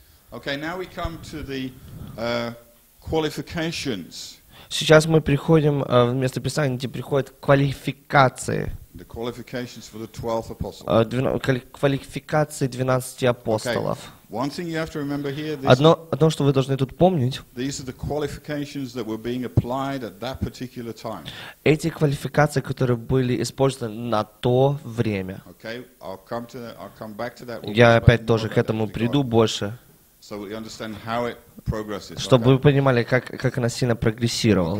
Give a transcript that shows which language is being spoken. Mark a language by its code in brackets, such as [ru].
[en] Okay, now we come to the qualifications. [ru] Сейчас мы приходим в место Писания, где приходят квалификации. [en] The qualifications for the 12 apostles. [ru] Квалификации 12 апостолов. [en] Okay. One thing you have to remember here, [ru] одно, что вы должны тут помнить. [en] These are the qualifications that were being applied at that particular time. [ru] Эти квалификации, которые были использованы на то время. [en] Okay. I'll come to that. I'll come back to that. [ru] Я опять тоже к этому приду больше. [en] So we understand how it progresses. [ru] Чтобы вы понимали, как она сильно прогрессировала.